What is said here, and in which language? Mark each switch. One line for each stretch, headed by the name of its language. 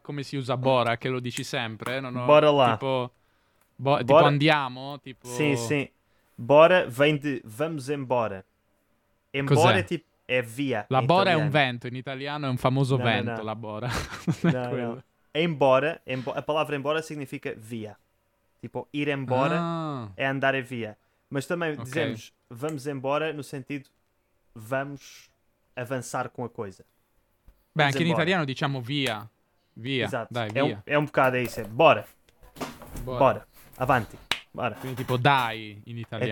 Italian: Come si usa bora? Che lo dici sempre? Non ho, bora là. Tipo andiamo? Tipo...
Portuguese: Sì. Bora vem de vamos embora. Embora
Italian: cos'è? Tipo è via. La bora è un vento in italiano, è un famoso vento. La bora.
Portuguese: No. Embora, a palavra embora significa via. Tipo, ir embora é andar via. Mas também dizemos vamos embora no sentido vamos avançar com a coisa. Bem, vamos
Italian: anche
Portuguese: embora.
Italian: In italiano diciamo via. Via. Esatto. Dai, via.
Portuguese: È un bocado isso. Bora. Avanti. Bora.
Italian: Quindi tipo dai in italiano.